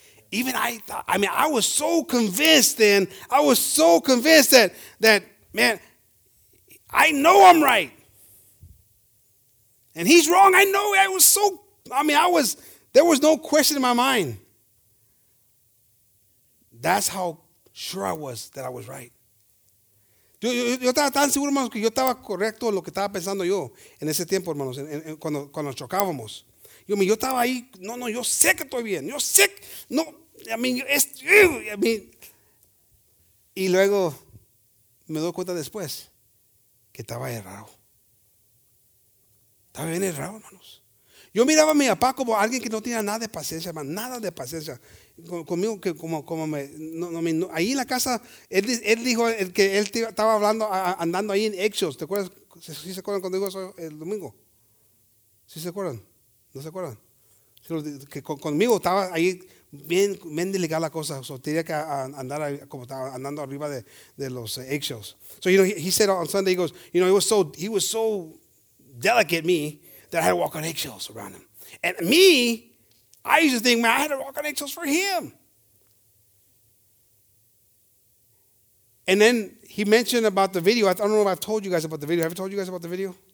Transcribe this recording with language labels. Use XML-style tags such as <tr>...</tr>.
<en>Even I thought, I mean, I was so convinced then, I was so convinced that man, I know I'm right. And he's wrong. I know. There was no question in my mind. That's how sure I was that I was right.</en> <es>Yo estaba tan seguro, hermanos, que yo estaba correcto en lo que estaba pensando yo en ese tiempo, hermanos, cuando chocábamos. Yo estaba ahí, no, yo sé que estoy bien. Yo sé, no,</es> <en>I mean,</en> <es>es, I mean. Y luego me doy cuenta después que estaba errado. Estaba bien errado, hermanos. Yo miraba a mi papá como alguien que no tenía nada de paciencia, hermano, nada de paciencia. Conmigo, que como me. No, ahí en la casa, él dijo que él estaba hablando, andando ahí en Hechos. ¿Te acuerdas? ¿Sí se acuerdan cuando dijo eso el domingo? ¿Sí se acuerdan? ¿No se acuerdan? Que conmigo estaba ahí bien, bien delicada la cosa. O sea, tenía que andar como estaba andando arriba de los Hechos.</es> <en>So, you know, he said on Sunday, he goes, you know, he was so delicate, me, that I had to walk on eggshells around him. And me, I used to think, man, I had to walk on eggshells for him. And then he mentioned about the video. I don't know if I've told you guys about the video. Have I told you guys about the video?</en>